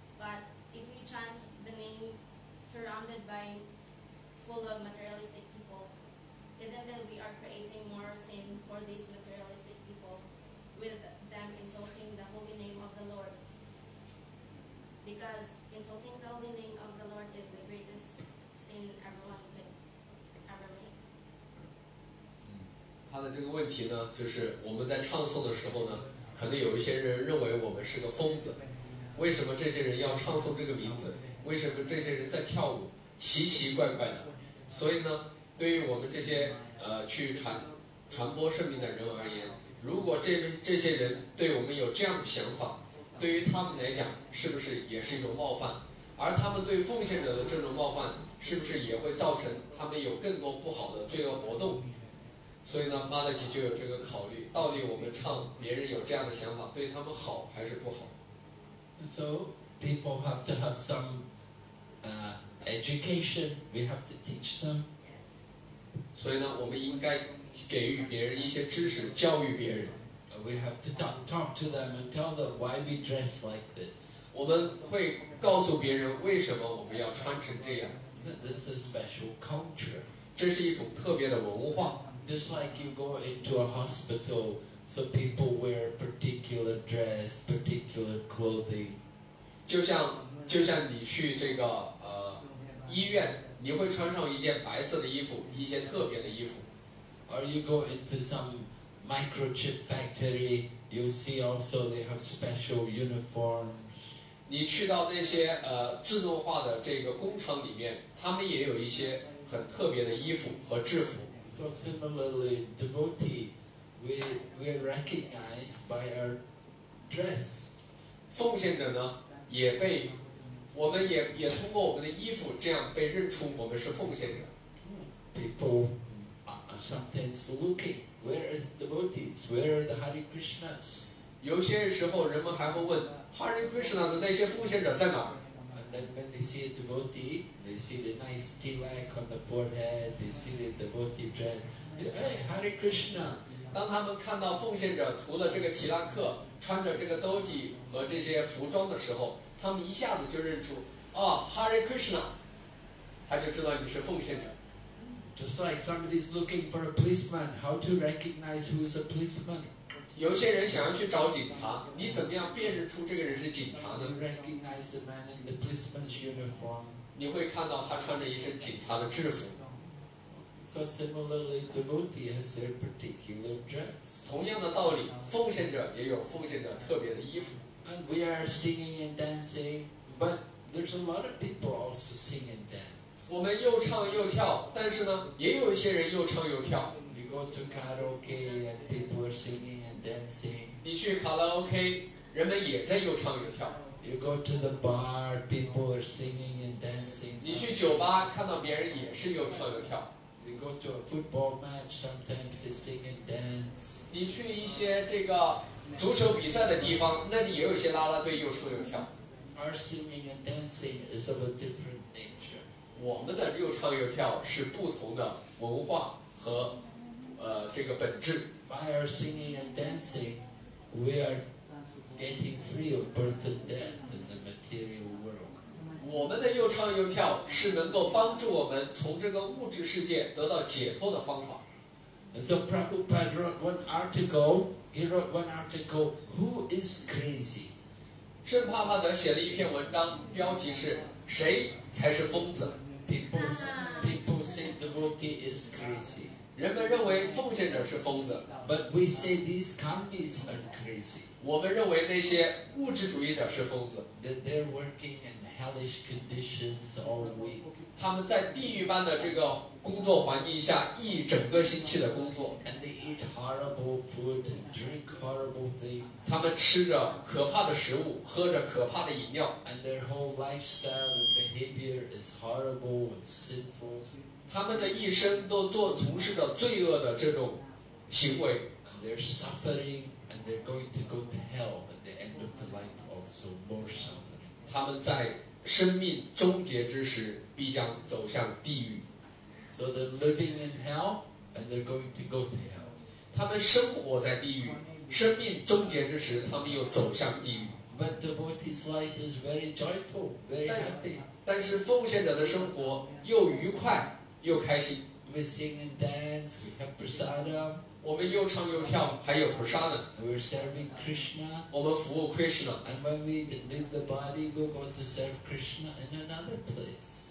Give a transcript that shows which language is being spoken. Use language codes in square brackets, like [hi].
[en] But if we chant the name surrounded by full of materialistic people, isn't that we are creating more sin for these materialistic people with them insulting the holy name of the Lord? Because insulting the holy name of the Lord is the greatest sin everyone could ever make. [zh] 他的这个问题呢，就是我们在唱诵的时候呢，可能有一些人认为我们是个疯子。为什么这些人要唱诵这个名字？为什么这些人在跳舞？奇奇怪怪的。所以呢，对于我们这些去传播圣名的人而言，如果这些人对我们有这样的想法。对于他们来讲，是不是也是一种冒犯？而他们对奉献者的这种冒犯，是不是也会造成他们有更多不好的罪恶活动？所以呢，妈的姐就有这个考虑：到底我们唱别人有这样的想法，对他们好还是不好 [en] ？So people have to have some education. We have to teach them. [zh] 所以呢，我们应该给予别人一些知识，教育别人。 [en] We have to talk to them and tell them why we dress like this. [zh] 我们会告诉别人为什么我们要穿成这样。 [en] This is a special culture. [zh] 这是一种特别的文化。 [en] Just like you go into a hospital, so people wear particular dress, particular clothing. [zh] 就像你去这个医院，你会穿上一件白色的衣服，一些特别的衣服。 [en] Or you go into some. Microchip factory, you see also they have special uniforms. [zh] 你去到那些自动化的这个工厂里面，他们也有一些很特别的衣服和制服。 [en] So similarly, devotee, we recognize by our dress. [zh] 奉献者呢，也通过我们的衣服这样被认出我们是奉献者。 [en] People are sometimes looking. Where is devotees? Where are the Hare Krishnas? [zh] 有些时候人们还会问 Hare Krishna 的那些奉献者在哪儿 [en] And then when they see a devotee, they see the nice tilak on the forehead, they see the devotee dress. Hey, Hare Krishna! [zh] 当他们看到奉献者涂了这个提拉克，穿着这个兜底和这些服装的时候，他们一下子就认出啊、oh, Hare Krishna， 他就知道你是奉献者。 [en] Just like somebody's looking for a policeman, how to recognize who's a policeman? [zh] 有些人想要去找警察，你怎么样辨认出这个人是警察呢 [en] ？You recognize the man in the policeman's uniform. [zh] 你会看到他穿着一身警察的制服。 [en] So similarly, devotee has their particular dress. [zh] 同样的道理，奉献者也有奉献者特别的衣服。 [en] And we are singing and dancing, but there's a lot of people also sing and dance. [zh] 我们又唱又跳，但是呢，也有一些人又唱又跳。 [en] You go to karaoke and people are singing and dancing. [zh] 你去卡拉 OK， 人们也在又唱又跳。 [en] You go to the bar, people are singing and dancing. [zh] 你去酒吧看到别人也是又唱又跳。 [en] You go to a football match, sometimes they sing and dance. [zh] 你去一些这个足球比赛的地方，那里也有一些拉拉队又唱又跳。 [en] Our singing and dancing is of a different nature. [zh] 我们的又唱又跳是不同的文化和这个本质。 [en] By our singing and dancing, we are getting free of birth and death in the material world. [zh] 我们的又唱又跳是能够帮助我们从这个物质世界得到解脱的方法。 [en] And so Prabhupada wrote one article. He wrote one article. Who is crazy? [zh] 圣帕帕德写了一篇文章，标题是谁才是疯子？ [en] People say devotee is crazy. [zh] 人们认为奉献者是疯子。 [en] But we say these kamis are crazy. [zh] 我们认为那些物质主义者是疯子。 [en] That they're working in hellish conditions all week. [zh] 他们在地狱般的这个工作环境下一整个星期的工作。 [en] And they eat horrible food and drink horrible things. [zh] 他们吃着可怕的食物，喝着可怕的饮料。 [en] And their whole lifestyle and behavior is horrible and sinful. [zh] 他们的一生都从事着罪恶的这种行为。 [en] And they're suffering and they're going to go to hell at the end of the life also more suffering. [zh] 他们在生命终结之时必将走向地狱。 [en] So they're living in hell, and they're going to go to hell. [zh] 他们生活在地狱，生命终结之时，他们又走向地狱。 [en] But devotee's life is very joyful, very happy. [zh] 但是奉献者的生活又愉快又开心。 [en] We sing and dance, we have prasada. [zh] 我们又唱又跳，还有菩萨呢。 [en] We're serving Krishna. [zh] 我们服务 Krishna. [en] And when we leave the body, we're going to serve Krishna in another place.